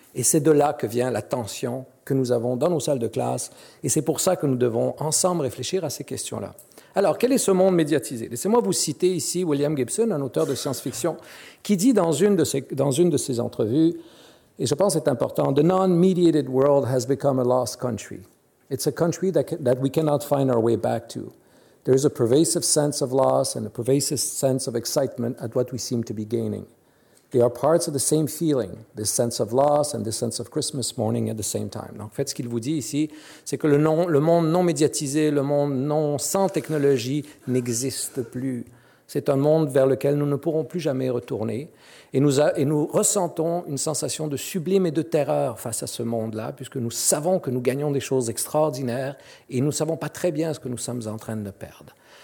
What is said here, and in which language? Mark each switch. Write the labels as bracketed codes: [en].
[fr] Et c'est de là que vient la tension que nous avons dans nos salles de classe. Et c'est pour ça que nous devons ensemble réfléchir à ces questions-là. Alors, quel est ce monde médiatisé? Laissez-moi vous citer ici William Gibson, un auteur de science-fiction, qui dit dans une de ses entrevues, et je pense que c'est important, « [en] The non-mediated world has become a lost country. It's a country that we cannot find our way back to. There is a pervasive sense of loss and a pervasive sense of excitement at what we seem to be gaining. » They are parts of the same feeling, this sense of loss and this sense of Christmas morning at the same time. [fr] Donc, en fait, ce qu'il vous dit ici, c'est que le monde non médiatisé, le monde non sans technologie n'existe plus. C'est un monde vers lequel nous ne pourrons plus jamais retourner. Et nous ressentons une sensation de sublime et de terreur face à ce monde-là, puisque nous savons que nous gagnons des choses extraordinaires et nous ne savons pas très bien ce que nous sommes en train de perdre.